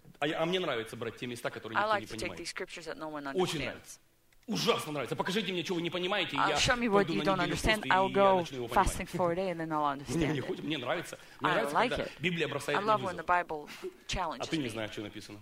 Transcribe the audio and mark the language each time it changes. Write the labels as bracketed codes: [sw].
[ru] А мне нравится брать те места, которые никто [en] like [ru] не понимает. [en] Scriptures that no one understands. [ru] Очень нравится. Ужасно нравится. Покажите мне, что вы не понимаете, и [en] show me what you don't understand. I'll go fasting for a day and then I'll understand. [ru] Мне хочется, мне нравится. Мне нравится, когда [en] like [ru] Библия бросает меня. [en] I love when the Bible challenges me. [ru] А ты не знаешь, что написано?